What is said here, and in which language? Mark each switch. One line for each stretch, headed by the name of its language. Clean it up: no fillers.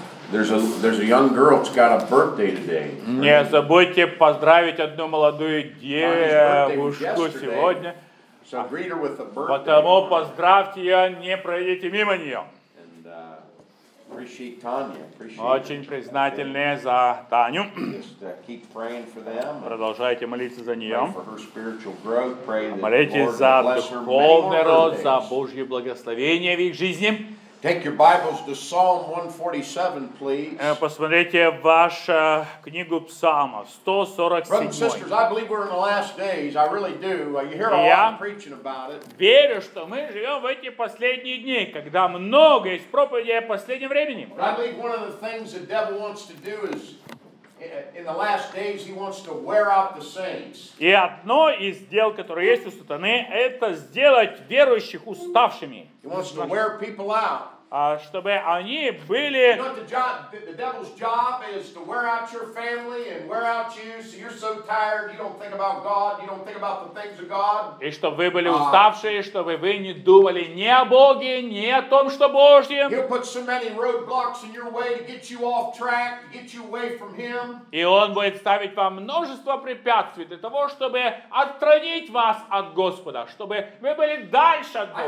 English: There's a young girl that's got a birthday today.
Russian: Не забудьте поздравить одну молодую девушку сегодня.
English: So greet her with a birthday.
Russian: Потому поздравьте ее, не пройдите мимо нее.
English: And appreciate Tanya.
Russian: Очень признательны за Таню.
English: Just keep praying for them.
Russian: Продолжайте молиться за нее.
English: Pray for her spiritual growth. Pray that
Russian: молитесь за духовный рост, за Божье благословение в их жизни.
English: Take your Bibles to Psalm 147, please.
Russian: Посмотрите вашу книгу Псалма 147.
English: Brothers and sisters, I believe we're in the last days. I really do. You hear a lot of preaching about it.
Russian: Верю, что мы живем в эти последние дни, когда много есть проповеди о последнем времени.
English: I believe one of the things the devil wants to do is in the last days he wants to wear out the saints.
Russian: И одно из дел, которое есть у сатаны, это сделать верующих уставшими.
English: He wants to wear people out.
Russian: Чтобы они были.
English: You know, the devil's job is to wear out your family and wear out you, so you're so tired you don't think about God, you don't think about the things of God.
Russian: И чтобы вы были уставшие, чтобы вы не думали ни о Боге, ни о том, что Божье.
English: He'll put so many roadblocks in your way to get you off track, to get you away from Him.
Russian: И он будет ставить вам множество препятствий для того, чтобы отстранить вас от Господа, чтобы вы были дальше от Бога.